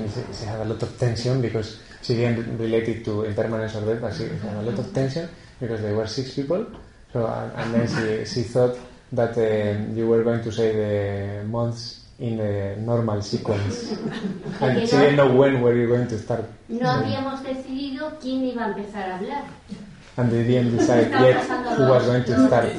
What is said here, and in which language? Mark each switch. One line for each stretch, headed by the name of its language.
Spanish: se ha dado tensión, porque si bien
English: related to impermanence or death, she had a lot of tension because there were six people. So and then she thought that you were going to say the months in a normal sequence. And she didn't know when were you going to start.
Spanish: No habíamos decidido quién iba a empezar a hablar.
English: And they didn't decide yet who was going to start.